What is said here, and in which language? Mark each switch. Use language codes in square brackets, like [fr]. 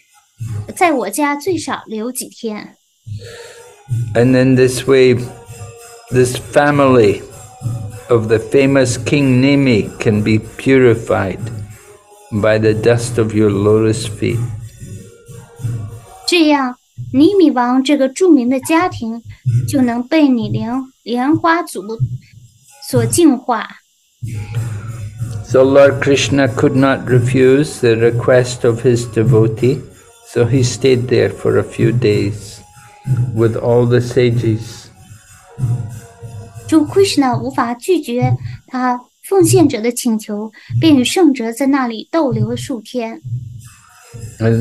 [zh] 国王说，我请求你与同伴那些伟大的圣者与婆罗门们，在我家最少留几天。 [en] And in this way, this family of the famous King Nimi can be purified by the dust of your lotus feet. [zh] 这样，尼米王这个著名的家庭就能被你莲花祖所净化。So [en] Lord Krishna could not refuse the request of his devotee, so he stayed there for a few days with all the sages. [zh] 主Krishna无法拒绝他奉献者的请求，便与圣者在那里逗留数天。In